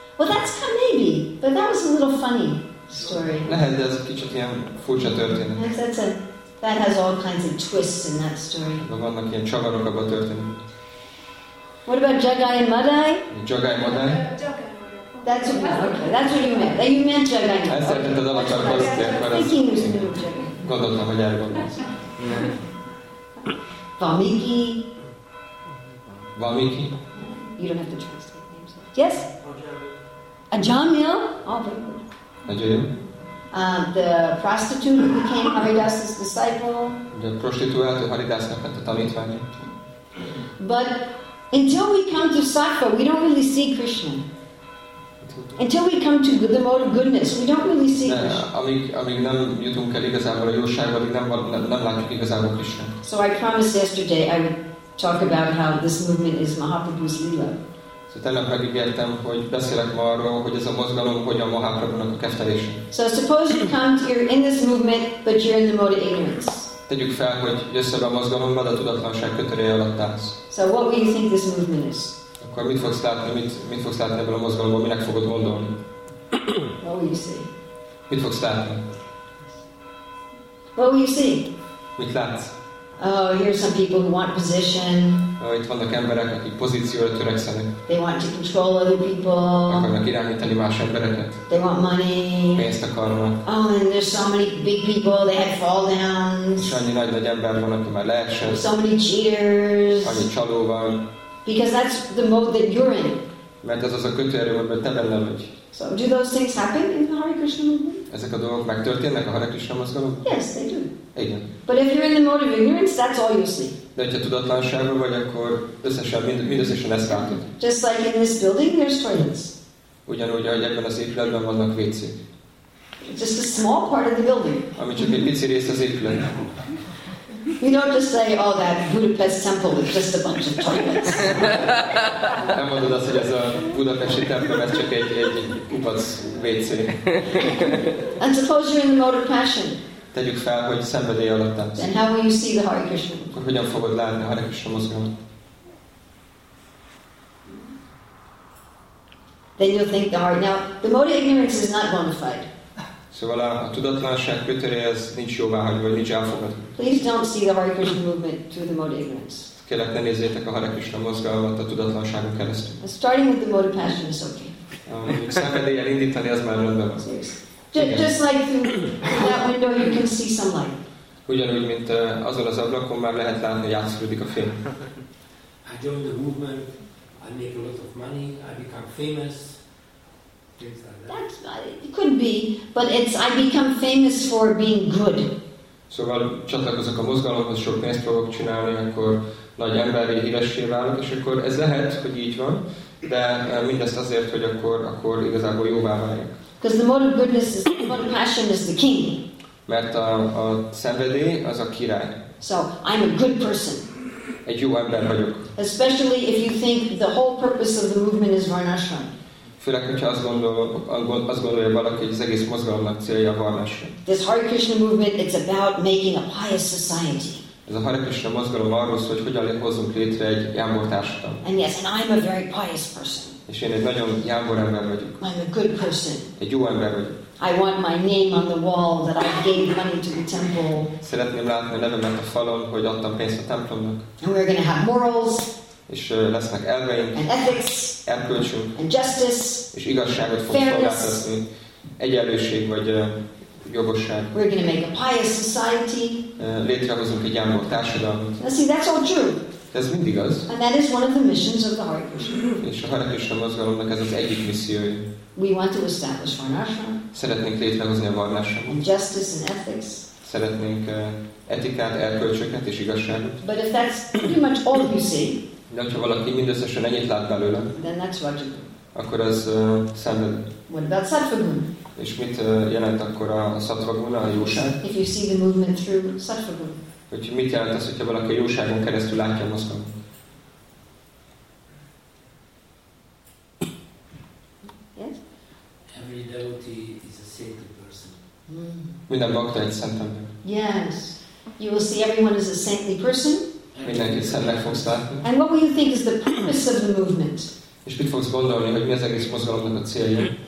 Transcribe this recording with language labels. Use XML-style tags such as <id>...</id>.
<en>Well, that's maybe, but that was a little funny. Story.</en> <hu>Lehet, de ez kicsit ilyen furcsa történet.</hu> <en>That has all kinds of twists in that story.</en> <hu>De vannak ilyen csavarok abban a történet.</hu> <en>What about Jagai and Madai? Jagai and Madai? That's what, okay, that's what you meant. That you meant Jagai and Madai.</en> <hu>Ezt szerinted el akar hozni, mert ezt gondoltam, hogy erre gondolsz.</hu> <en>Valmiki. Valmiki. You don't have to translate names. Yes? Ajamil. Ajamil? Oh, very good. The prostitute who became Haridas's disciple.</en> <hu>The prostituta Haridas's tanítványa.</hu> <en>But until we come to Sattva, we don't really see Krishna. Until we come to the mode of goodness, we don't really see Krishna.</en> <hu>Amíg nem jutunk el igazából a jóságba, nem látjuk igazából Krishna.</hu> <en>So I promised yesterday I would talk about how this movement is Mahaprabhu's lila.</en> <hu>Tehát megígértem, hogy beszélek ma arról, hogy ez a mozgalom hogyan Mahaprabhunak a keftelése.</hu> <en>So suppose you come to, you're in this movement, but you're in the mode of ignorance.</en> <hu>Tegyük fel, hogy jössz ebbe a mozgalomba, de a tudatlanság kötelei alatt állsz.</hu> <en>So what do you think this movement is?</en> <hu>Akkor mit fogsz látni, mit fogsz látni ebből a mozgalomból, minek fogod gondolni?</hu> <en>What will you see?</en> <hu>Mit fogsz látni?</hu> <en>What will you see?</en> <hu>Mit látsz?</hu> <en>Oh, here's some people who want position.</en> <hu>Itt vannak emberek, akik pozícióra törekszenek.</hu> <en>They want to control other people.</en> <hu>Akarnak irányítani más embereket.</hu> <en>They want money.</en> <hu>Pénzt akarnak.</hu> <en>Oh, and there's so many big people, they had fall downs.</en> <hu>És annyi nagy ember van, aki már leesett.</hu> <en>So many cheaters.</en> <hu>Annyi csaló van.</hu> <en>Because that's the mode that you're in.</en> <hu>Mert ez az a kötőerő, amiben te benne vagy.</hu> <en>So do those things happen in the Hare Krishna movement?</en> <hu>Ezek a dolgok megtörténnek a Hare Krishna mozgalomban?</hu> <en>Yes, they do.</en> <hu>Igen.</hu> <en>But if you're in the mode of ignorance, that's all you see.</en> <hu>De hogyha tudatlanságban vagy, akkor összesen, mindösszesen ezt látod.</hu> <en>Just like in this building, there's toilets.</en> <hu>Ugyanúgy, ahogy ebben az épületben vannak vécék.</hu> <en>Just a small part of the building.</en> <hu>Ami csak egy pici rész az épületben.</hu> <en>You don't just say, oh, that Budapest temple is just a bunch of toilets.</en> <hu>Nem mondod azt, hogy ez a budapesti templom, ez csak egy kupac vécé.</hu> <en>And suppose you're in the mode of passion.</en> <hu>Tegyük fel, hogy szenvedély alatt állsz.</hu> <en>Then how will you see the Hare Krishna?</en> <hu>Akkor hogyan fogod látni a Hare Krishna mozgalmat?</hu> <en>Then you'll think the heart. Now, the mode of ignorance is not bona fide.</en> <hu>Szóval a tudatlanság kötőjéhez nincs jóváhagyva, nincs elfogadva.</hu> <en>Please don't see the Hare Krishna movement through the mode of ignorance.</en> <hu>Kérlek, ne nézzétek a Hare Krishna mozgalmat a tudatlanságon keresztül.</hu> <en>But starting with the mode of passion is okay.</en> <hu>Szenvedéllyel indítani, az már rendben van.</hu> <en>Just like through that window, you can see some light.</en> <hu>Ugyanúgy, mint azon az ablakon, már lehet látni, hogy játszódik a film.</hu> <en>I join the movement, I make a lot of money, I become famous. That's not, it could be, but it's I become famous for being good.</en> <hu>Szóval csatlakozok a mozgalomhoz, sok pénzt fogok csinálni, akkor nagy emberi híressé válok, és akkor ez lehet, hogy így van, de mindezt azért, hogy akkor igazából jóvá váljak.</hu> <en>Because the mode of goodness is the mode of passion is the king.</en> <hu>Mert a szenvedély az a király.</hu> <en>So I'm a good person.</en> <hu>egy jó ember vagyok.</hu> <en>Especially if you think the whole purpose of the movement is varnashram.</en> <hu>Főleg, hogyha azt gondolja valaki, hogy az egész mozgalomnak célja a varnashram.</hu> <en>This Hare Krishna movement, it's about making a pious society.</en> <hu>Ez a Hare Krishna mozgalom arról szól, hogy hogyan hozzunk létre egy jámbor társadalom.</hu> <en>And yes, and I'm a very pious person.</en> <hu>És én egy nagyon jámbor ember vagyok.</hu> <en>I'm a good person.</en> <hu>Egy jó ember vagyok.</hu> <en>I want my name on the wall that I gave money to the temple.</en> <hu>Szeretném látni a nevemet a falon, hogy adtam pénzt a templomnak.</hu> <en>And we're going to have morals.</en> <hu>És lesznek elveink.</hu> <en>And ethics.</en> <hu>Erkölcsünk.</hu> <en>And justice.</en> <hu>És igazságot fog szolgáltatni. Egyenlőség vagy jogosság.</hu> <en>We're going to make a pious society.</en> <hu>Létrehozunk egy jámbor társadalmat.</hu> <en>Now see, that's all true.</en> <hu>Ez mind igaz.</hu> <en>And that is one of the missions of the Hare Krishna.</en> <hu>És a Hare Krishna mozgalomnak ez az egyik missziója.</hu> <en>We want to establish varnashram.</en> <hu>Szeretnénk létrehozni a varnashramot.</hu> <en>And justice and ethics.</en> <hu>Szeretnénk etikát, erkölcsöket és igazságot.</hu> <en>But if that's pretty much all you see.</en> <hu>De ha valaki mindösszesen ennyit lát belőle.</hu> <en>Then that's Rajagun.</en> <hu>Akkor az szemben.</hu> <en>What about Sattvagun?</en> <hu>És mit jelent akkor a Sattvagun, a jóság?</hu> <en>If you see the movement through Sattvagun.</en> <hu>Hogy mit jelent az, hogyha valaki a jóságon keresztül látja a mozgalmat? Minden bakta egy szent ember.</hu> <en>Yes. You will see everyone is a saintly person.</en> <hu>Mindenkit szentnek fogsz látni.</hu> <en>And what will you think is the purpose of the movement?</en> <hu>És mit fogsz gondolni, hogy mi az egész mozgalomnak a célja?</hu>